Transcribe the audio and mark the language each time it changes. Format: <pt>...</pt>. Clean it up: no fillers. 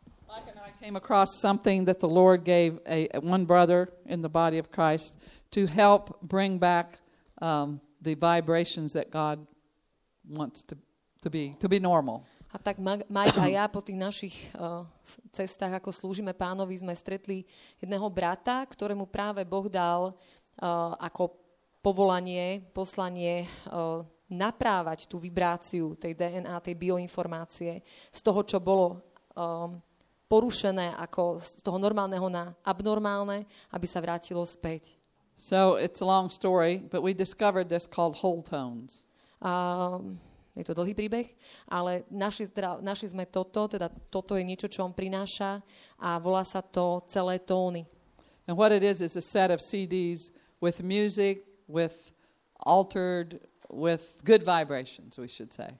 <en>I came across something that the Lord gave one brother in the body of Christ to help bring back the vibrations that God wants to be normal.</en> <sk>A tak Mike a ja po tých našich cestách, ako slúžime Pánovi, sme stretli jedného brata, ktorému práve Boh dal ako povolanie, poslanie naprávať tú vibráciu tej DNA, tej bioinformácie z toho, čo bolo porušené ako z toho normálneho na abnormálne, aby sa vrátilo späť.</sk> <en>So it's a long story, but we discovered this called whole tones.</en> <sk>Je to dlhý príbeh, ale našli sme toto, teda toto je niečo, čo on prináša a volá sa to celé tóny.</sk> <en>And what it is a set of CDs with music, with altered, with good vibrations, we should say.</en>